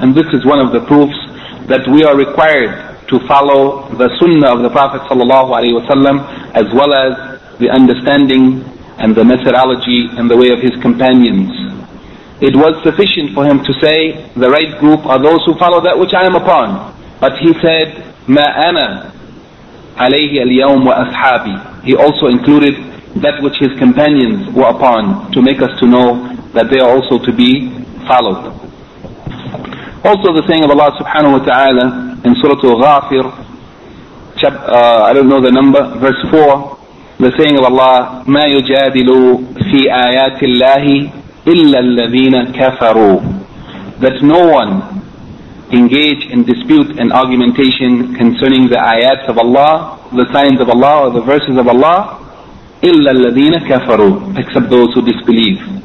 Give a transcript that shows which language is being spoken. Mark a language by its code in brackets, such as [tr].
[en] And this is one of the proofs that we are required to follow the Sunnah of the Prophet sallallahu alaihi wasallam, as well as the understanding and the methodology and the way of his companions. It was sufficient for him to say, the right group are those who follow that which I am upon. But he said, [ar] مَا أَنَا عَلَيْهِ الْيَوْمُ وَأَصْحَابِي. [en] He also included that which his companions were upon, to make us to know that they are also to be followed. Also the saying of Allah subhanahu wa ta'ala in Surah Al-Ghafir, verse 4, the saying of Allah, [ar] مَا يُجَادِلُ فِي آيَاتِ اللَّهِ إِلَّا الَّذِينَ كَفَرُوا, [en] that no one engage in dispute and argumentation concerning the ayats of Allah, the signs of Allah, or the verses of Allah, [ar] إِلَّا الَّذِينَ كَفَرُوا, [en] except those who disbelieve.